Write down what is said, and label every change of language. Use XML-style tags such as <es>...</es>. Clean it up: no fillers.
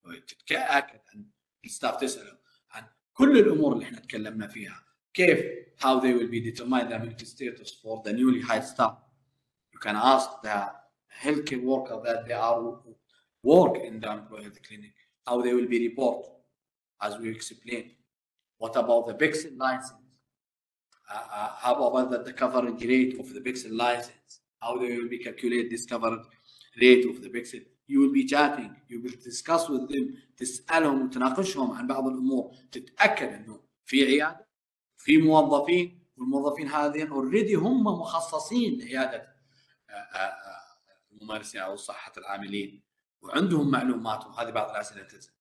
<ar>تتأكد أن الستاف تسأل عن كل الأمور اللي إحنا تكلمنا فيها. كيف</ar> <en>how they will be determined the immunity status for the newly hired staff. You can ask the healthcare worker that they are work in the employee health clinic. How they will be report as we explained. What about the vaccine license? How about the coverage rate of the vaccine license? How they will be calculate this coverage rate of the vaccine? You will be chatting. You will discuss with them.</en> <ar>تسألهم وتناقشهم عن بعض الأمور. تتأكد أنه في عيادة. في موظفين والموظفين هذين اوريدي هم مخصصين لعياده الممارسين او صحه العاملين وعندهم معلومات. وهذه بعض الاسئله تسأل.</ar>